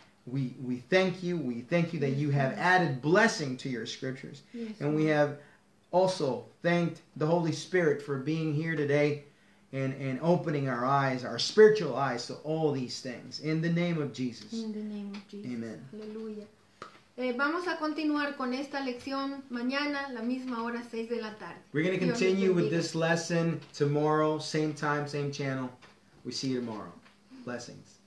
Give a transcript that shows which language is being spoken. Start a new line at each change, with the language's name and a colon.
English: We thank you. We thank you that you have added blessing to your scriptures. Yes, and we have also thanked the Holy Spirit for being here today and opening our eyes, our spiritual eyes, to all these things. In the name of Jesus. In the name of Jesus. Amen.
Spanish: Aleluya. Vamos a continuar con esta lección mañana, la misma hora, 6 de la tarde.
English: We're going to continue with this lesson tomorrow, same time, same channel. We see you tomorrow. Blessings.